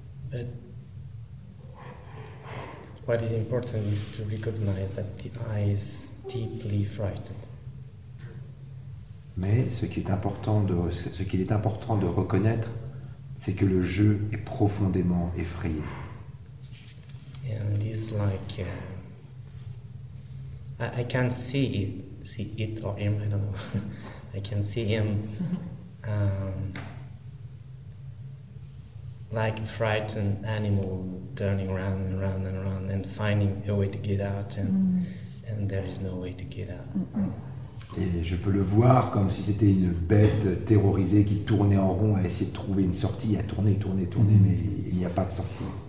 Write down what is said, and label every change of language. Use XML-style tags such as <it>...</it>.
<en>But what is important is to recognize that the eye is deeply frightened.</en> <fr>Mais ce qu'il est important de reconnaître, c'est que le jeu est profondément effrayé.</fr> <en>And it's like I can't see it or him. I don't know. I can see him like a frightened animal turning around and around and around and finding a way to get out, and there is no way to get out.</en> <fr>Et je peux le voir comme si c'était une bête terrorisée qui tournait en rond à essayer de trouver une sortie, à tourner, mais il n'y a pas de sortie.</fr>